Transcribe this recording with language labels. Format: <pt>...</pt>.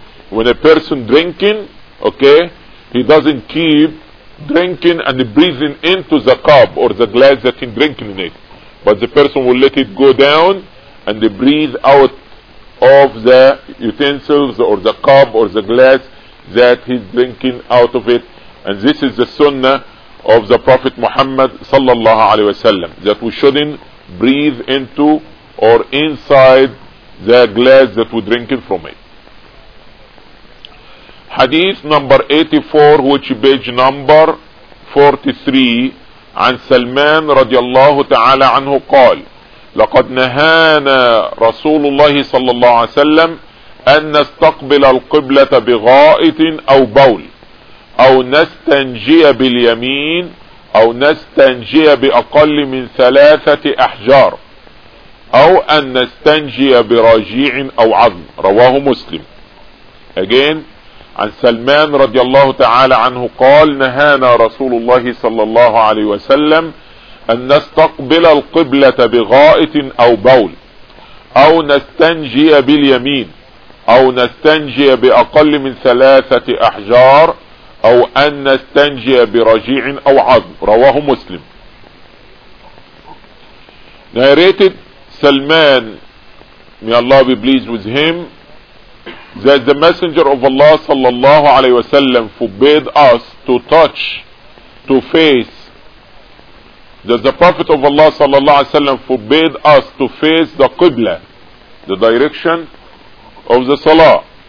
<en>When a person drinking, okay, he doesn't keep drinking and breathing into the cup or the glass that he's drinking in it, but the person will let it go down and they breathe out of the utensils or the cup or the glass that he's drinking out of it. And this is the sunnah of the Prophet Muhammad sallallahu alaihi wasallam, that we shouldn't breathe into or inside the glass that we're drinking from it.</en> <ar>حديث نمبر 84</ar> <en>which page number 43</en> <ar>عن سلمان رضي الله تعالى عنه قال لقد نهانا رسول الله صلى الله عليه وسلم أن نستقبل القبلة بغائط أو بول أو نستنجي باليمين أو نستنجي بأقل من ثلاثة أحجار أو أن نستنجي براجيع أو عظم رواه مسلم. Again, عن سلمان رضي الله تعالى عنه قال نهانا رسول الله صلى الله عليه وسلم أن نستقبل القبلة بغائط أو بول أو نستنجي باليمين أو نستنجي بأقل من ثلاثة أحجار أو أن نستنجي برجيع أو عظم رواه مسلم.</ar> <en>Narrated Salman may Allah be pleased with him that the messenger of Allah صلى الله عليه وسلم forbade us to touch, to face, that the Prophet of Allah صلى الله عليه وسلم forbade us to face the Qibla, the direction of the Salah,</en>